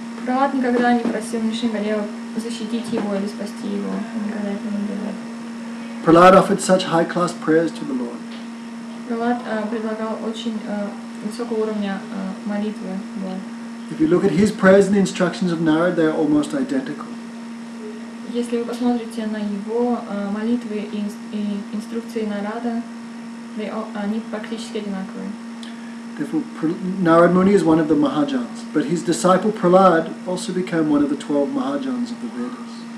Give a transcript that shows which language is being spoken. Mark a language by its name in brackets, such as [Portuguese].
[Russian] Prahlad никогда не просил Нрисингадева защитить его или спасти его. Он никогда этого не делал. [English] Prahlad offered such high-class prayers to the Lord. [Russian] Prahlad предлагал очень высокого уровня молитвы. [English] If you look at his prayers and the instructions of Narada, they are almost identical. [Russian] Если вы посмотрите на его молитвы и инструкции Нарада, они практически одинаковые. [English] Therefore, Narad Muni is one of the Mahajans, but his disciple Prahlad also became one of the 12 Mahajans of the Vedas.